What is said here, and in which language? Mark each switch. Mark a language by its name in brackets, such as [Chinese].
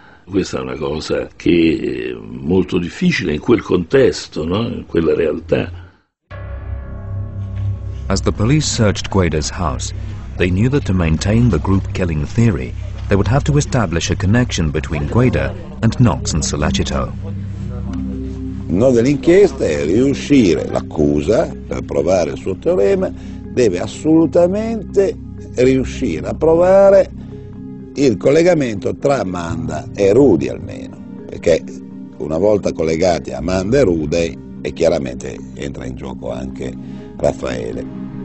[Italian] Questa è una cosa che è molto difficile in quel contesto, no? In quella realtà. [English] As the police searched Guaida's house, they knew that to maintain the group killing theory, they would have to establish a connection between Guaida and Knox and Sollecito. [Italian] Il nodo dell'inchiesta è riuscire, l'accusa, per provare il suo teorema, deve assolutamente riuscire a provare il collegamento tra Amanda e Rudy almeno, perché una volta collegati Amanda e Rudy, e chiaramente entra in gioco anche Raffaele.